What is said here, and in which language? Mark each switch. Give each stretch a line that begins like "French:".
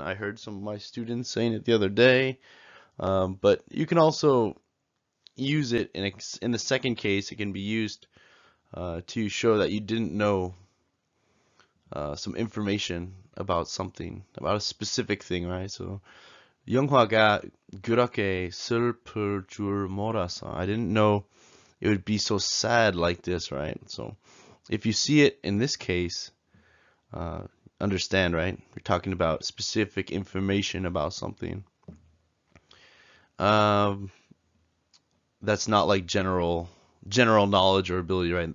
English: I heard some of my students saying it the other day. But you can also use it in the second case. It can be used to show that you didn't know some information about something, about a specific thing, right?
Korean: So 영화가 그렇게 슬플 줄 몰랐어.
English: I didn't know it would be so sad like this, right? So if you see it in this case, understand, right? You're talking about specific information about something. That's not like general knowledge or ability, right?